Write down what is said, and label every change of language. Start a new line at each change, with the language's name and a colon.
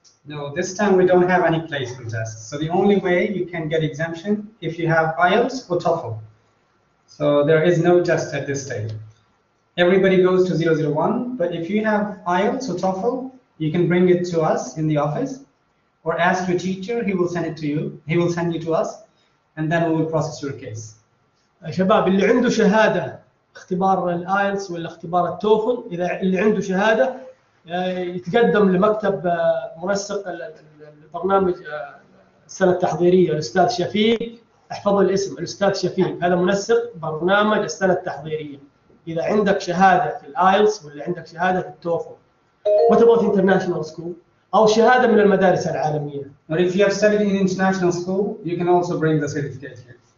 English: No, this time we don't have any placement test. So the only way you can get exemption if you have IELTS or TOEFL. So there is no test at this stage. Everybody goes to 001, but if you have IELTS or TOEFL, you can bring it to us in the office or ask your teacher, he will send it to you. He will send you to us and then we will process your case.
Arabic: شباب اللي عنده شهادة اختبار الايلتس ولا اختبار التوفل، اذا اللي عنده شهاده يتقدم لمكتب منسق البرنامج السنه التحضيريه الاستاذ شفيق، احفظ الاسم الاستاذ شفيق، هذا منسق برنامج السنه التحضيريه، اذا عندك شهاده في الايلتس ولا عندك شهاده في التوفل وتبغى انترناشونال سكول او شهاده من المدارس العالميه.
English: But if you have studied in international school, you can also bring the certificate here.